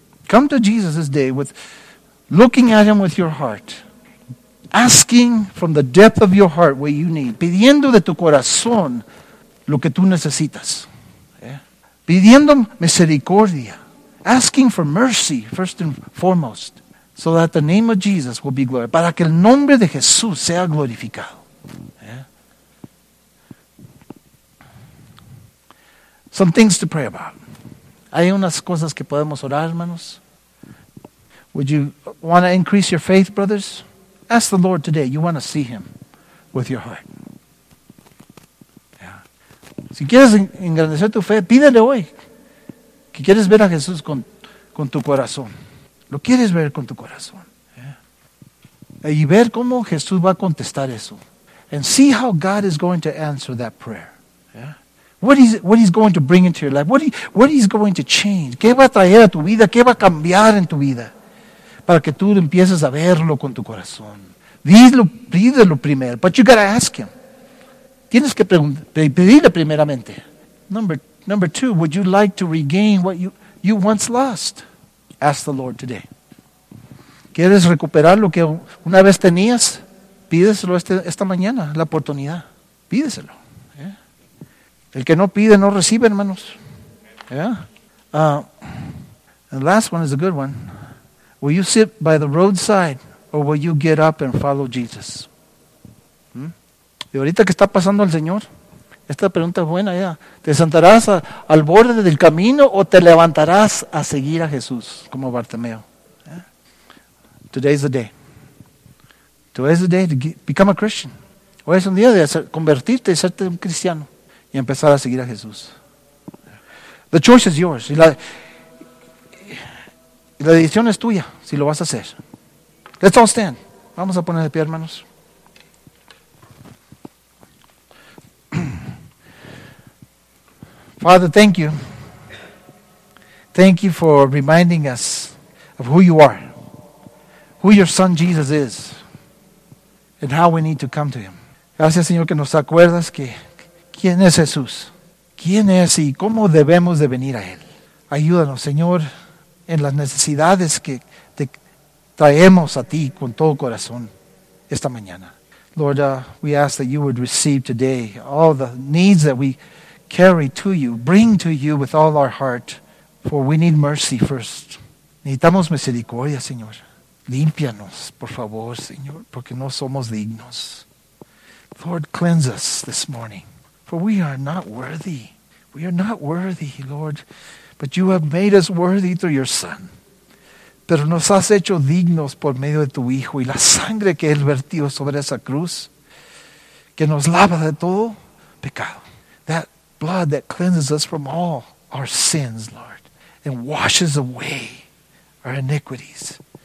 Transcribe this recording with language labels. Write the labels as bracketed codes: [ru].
[en] Come to Jesus this day with looking at him with your heart. Asking from the depth of your heart what you need. [es] Pidiendo de tu corazón lo que tú necesitas. [en] Yeah. [es] Pidiendo misericordia. [en] Asking for mercy first and foremost. So that the name of Jesus will be glorified. [es] Para que el nombre de Jesús sea glorificado. [en] Yeah. Some things to pray about. [es] Hay unas cosas que podemos orar, hermanos. [en] Would you want to increase your faith, brothers? Ask the Lord today. You want to see Him with your heart. [es] Yeah. Si quieres engrandecer tu fe, pídele hoy. Que quieres ver a Jesús con tu corazón. Lo quieres ver con tu corazón. Yeah. Y ver cómo Jesús va a contestar eso. [en] And see how God is going to answer that prayer. Yeah. What he's going to bring into your life. What he's going to change. [es] ¿Qué va a traer a tu vida? ¿Qué va a cambiar en tu vida? Para que tú empieces a verlo con tu corazón. Pídelo primero. [en] But you got to ask him. [es] Tienes que pedirle primeramente. [en] Number two, would you like to regain what you once lost? Ask the Lord today. [es] ¿Quieres recuperar lo que una vez tenías? Pídeselo esta mañana, la oportunidad. Pídeselo. Yeah. El que no pide, no recibe, hermanos. [en] Yeah. The last one is a good one. Will you sit by the roadside or will you get up and follow Jesus? [es] Y ahorita que está pasando el Señor, esta pregunta es buena. Yeah. ¿Te sentarás al borde del camino o te levantarás a seguir a Jesús como Bartimeo? Yeah. [en] Today's the day. Today's the day to become a Christian. [es] Hoy es un día de convertirte y serte un cristiano y empezar a seguir a Jesús. [en] The choice is yours. [es] La decisión es tuya si lo vas a hacer. [en] Let's all stand. [es] Vamos a poner de pie, hermanos. [en] Father, thank you. Thank you for reminding us of who you are, who your son Jesus is, and how we need to come to him. [es] Gracias, Señor, que nos acuerdas que quién es Jesús, quién es y cómo debemos de venir a él. Ayúdanos, Señor, en las necesidades que te traemos a ti con todo corazón esta mañana. [en] Lord, we ask that you would receive today all the needs that we carry to you, bring to you with all our heart, for we need mercy first. [es] Necesitamos misericordia, Señor. Límpianos, por favor, Señor, porque no somos dignos. [en] Lord, cleanse us this morning, for we are not worthy. We are not worthy, Lord, but you have made us worthy through your Son. [es] Pero nos has hecho dignos por medio de tu Hijo y la sangre que Él vertió sobre esa cruz, que nos lava de todo pecado. [en] That blood that cleanses us from all our sins, Lord, and washes away our iniquities.